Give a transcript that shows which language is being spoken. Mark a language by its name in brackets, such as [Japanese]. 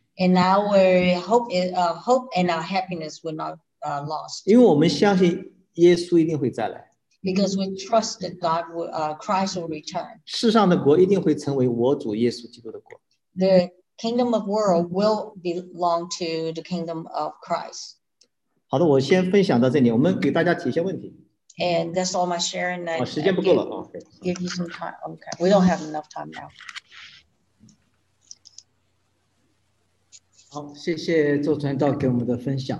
[English] and our hope and our happiness were not lost. [Chinese] 因为我们相信耶稣一定会再来, [English] because we trust that God will, Christ will return. [Chinese] 世上的国一定会成为我主耶稣基督的国, [English] the kingdom of world will belong to the kingdom of Christ. [Chinese] 好的，我先分享到这里。我们给大家提一些问题。 [English] And that's all my sharing. [Chinese] 时间不够了。 [English] Give you some time. Okay. We don't have enough time now. [Chinese] 好，谢谢周传道给我们的分享。